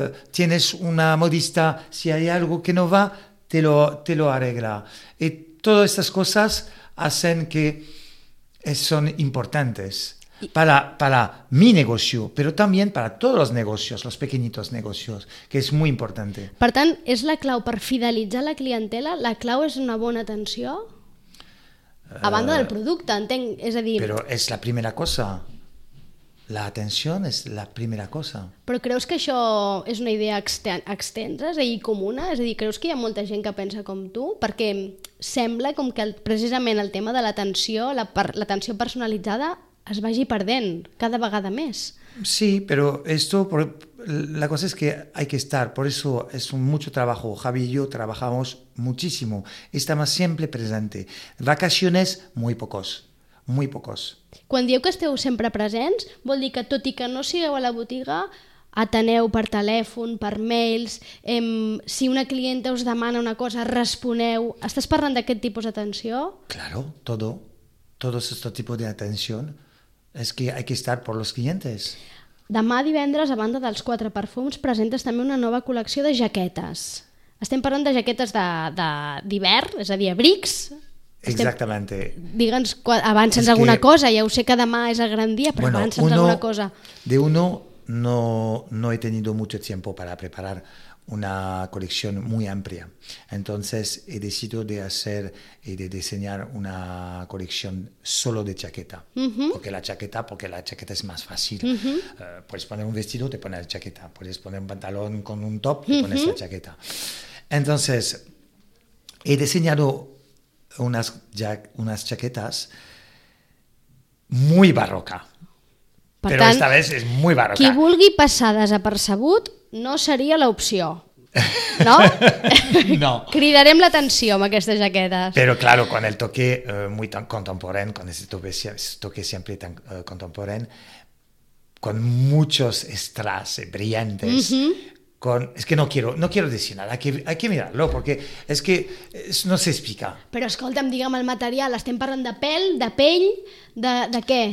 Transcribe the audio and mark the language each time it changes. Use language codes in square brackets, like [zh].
[es] Tienes una modista, si hay algo que no va, te lo arregla. Y todas estas cosas hacen que son importantes para mi negocio, pero también para todos los negocios, los pequeñitos negocios, que es muy importante. [ca] Per tant, és la clau per fidelitzar la clientela, la clau és una bona atenció, a banda del producte, entenc, és a dir... Però és la primera cosa, la atenció és la primera cosa. Però creus que això és una idea extensa, és a dir, comuna? És a dir, creus que hi ha molta gent que pensa com tu? Perquè sembla com que precisament el tema de l'atenció, l'atenció personalitzada, es vagi perdent cada vegada més. [es] Sí, pero esto, la cosa es que hay que estar, por eso es mucho trabajo. Javi y yo trabajamos muchísimo, estamos siempre presentes. Vacaciones, muy pocos, muy pocos. [ca] Quan dieu que esteu sempre presents, vol dir que tot i que no sigueu a la botiga, ateneu per telèfon, per mails, si una clienta us demana una cosa, responeu. Estàs parlant d'aquest tipus d'atenció? [es] Claro, todo este tipo de atención. Es que hay que estar por los clientes. [ca] Demà divendres, a banda dels quatre perfums, presentes també una nova col·lecció de jaquetes. Estem parlant de jaquetes d'hivern, és a dir, abrics. [es] Exactamente. [ca] Digue'ns, avança'ns es que, alguna cosa, ja ho sé que demà és el gran dia, però bueno, avança'ns alguna cosa. [es] De uno no he tenido mucho tiempo para preparar una colección muy amplia. Entonces he decidido de hacer y de diseñar una colección solo de chaqueta. Uh-huh. Porque la chaqueta es más fácil. Puedes poner un vestido, te pones la chaqueta. Puedes poner un pantalón con un top, te pones la chaqueta. Entonces he diseñado unas chaquetas muy barroca. Pero [ca] tant, [es] esta vez es muy barroca. [ca] Qui vulgui passar desapercebut no seria l'opció. No? No. Cridarem l'atenció amb aquestes jaquetes. [es] Però claro, con el toque muy tan contemporáneo, con ese toque siempre tan contemporáneo, con muchos strass brillantes. Es que no quiero decir nada, hay que mirarlo, porque es que no se explica. [ca] Però escolta'm, digue'm el material, estem parlant de pèl, de pell, de què?